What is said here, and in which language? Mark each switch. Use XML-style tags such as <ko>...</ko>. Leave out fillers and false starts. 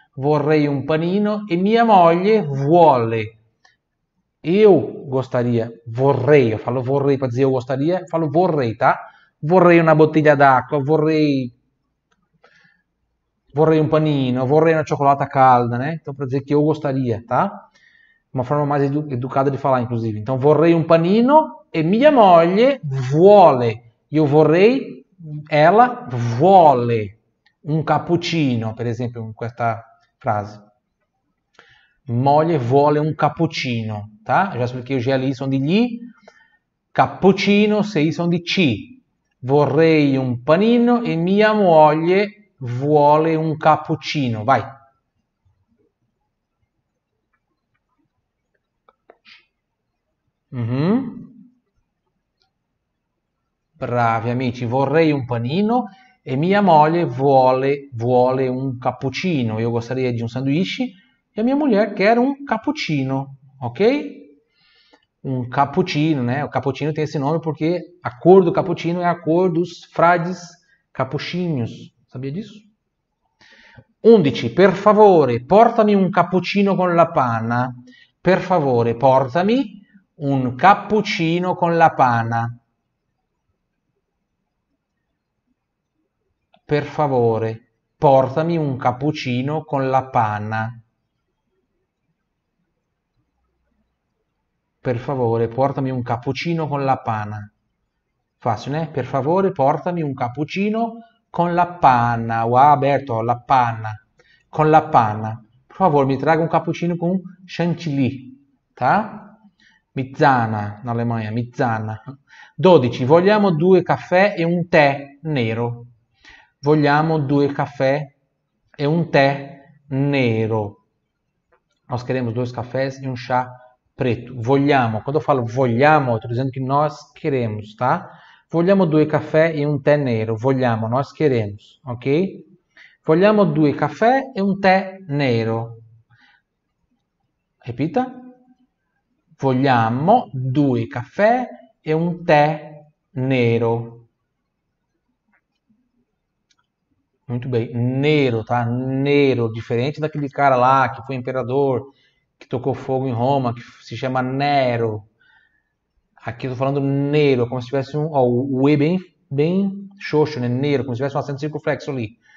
<it>Vorrei um panino e minha moglie vuole.</it> <pt>Eu gostaria, vorrei, eu falo vorrei para dizer eu gostaria, eu falo vorrei, tá?</pt> <it>Vorrei uma bottiglia d'acqua, vorrei um panino, vorrei uma cioccolata calda, né?</it> <pt>Então para dizer que eu gostaria, tá? Uma forma mais educada de falar, inclusive.</pt> <it>Então, vorrei um panino e minha moglie vuole. Eu vorrei, ela vuole um cappuccino, per esempio, com questa frase. Moglie vuole un cappuccino, tá?</it> <pt>Já expliquei, o GLI são de gli. Cappuccino, se i são de ci.</pt> <it>Vorrei um panino e minha moglie vuole un cappuccino. Vai. Bravi amici, vorrei un panino e mia moglie vuole un cappuccino. Io gostaria di un sandwich e mia moglie quer un cappuccino, ok?</it> <pt>Un cappuccino, né? O cappuccino tem esse nome porque a cor do cappuccino é a cor dos frades capuchinhos. Sabia disso? 11.</pt> <it>Per favore, portami un cappuccino con la panna. Per favore, portami un cappuccino con la panna. Per favore, portami un cappuccino con la panna. Per favore, portami un cappuccino con la panna. Facile, eh? Per favore, portami un cappuccino con la panna. Wow, Alberto, la panna. Con la panna. Per favore, mi traga un cappuccino con chantilly. Tá? Mizzana, in Alemania, Mizzana. 12. Vogliamo due caffè e un tè nero. Vogliamo due caffè e un tè nero.</it> <pt>Nós queremos dois cafés e um chá preto. Vogliamo, quando eu falo vogliamo, estou dizendo que nós queremos, tá?</pt> <it>Vogliamo due caffè e un tè nero.</it> <pt>Vogliamo, nós queremos, ok?</pt> <it>Vogliamo due caffè e un tè nero. Repita. Vogliamo due caffè e un tè nero.</it> <pt>Muito bem. Nero, tá? Nero, diferente daquele cara lá que foi imperador, que tocou fogo em Roma, que se chama Nero. Aqui eu tô falando Nero, como se tivesse um. Ó, o E bem, bem xoxo, né? Nero, como se tivesse um acento circunflexo ali.</pt>